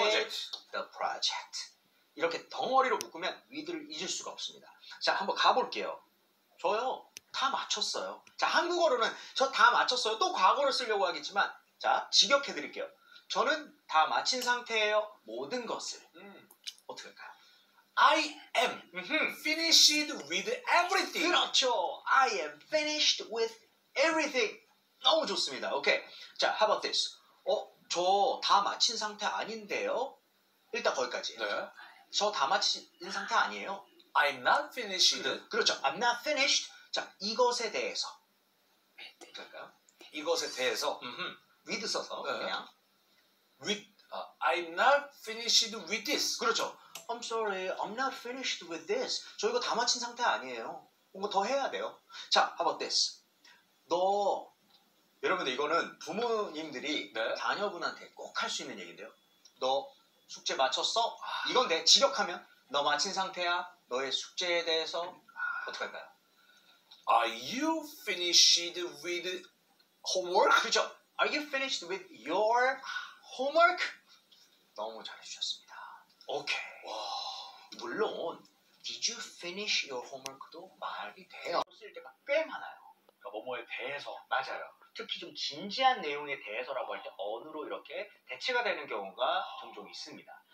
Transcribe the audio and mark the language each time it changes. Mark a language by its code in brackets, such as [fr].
[en] project. The project. [ko] 이렇게 덩어리로 묶으면 with를 잊을 수가 없습니다. 자, 한번 가볼게요. 저요, 다 맞췄어요. 자, 한국어로는 저 다 맞췄어요. 또 과거를 쓰려고 하겠지만, 자, 직역해드릴게요. 저는 다 마친 상태예요. 모든 것을. 어떻게 할까요? [en] I am finished with everything. [ko] 그렇죠. [en] I am finished with everything. [ko] 너무 좋습니다. 오케이. 자, [en] how about this? [ko] 저 다 마친 상태 아닌데요? 일단 거기까지. 네. 저 다 마친 상태 아니에요. [en] I'm not finished. [ko] 그렇죠. [en] I'm not finished. [ko] 자, 이것에 대해서. 그럴까요? 이것에 대해서. with 써서 네. 그냥. [en] With. I'm not finished with this. [ko] 그렇죠. [en] I'm sorry. I'm not finished with this. [ko] 저 이거 다 마친 상태 아니에요. 뭔가 더 해야 돼요. 자, [en] how about this? [ko] 너. 여러분들 이거는 부모님들이 네. 자녀분한테 꼭 할 수 있는 얘기인데요. 너. 숙제 마쳤어? 이건 내 직역하면 너 마친 상태야. 너의 숙제에 대해서 어떻게 할까요? [en] Are you finished with homework? [ko] 그죠? [en] Are you finished with your homework? [ko] 너무 잘해주셨습니다. 오케이. 와, 물론 [en] did you finish your homework [ko] 도 말이 돼요. 쓸 때가 꽤 많아요. 그러니까 뭐뭐에 대해서. 맞아요. 특히 좀 진지한 내용에 대해서라고 할 때 언으로 이렇게 대체가 되는 경우가 종종 있습니다.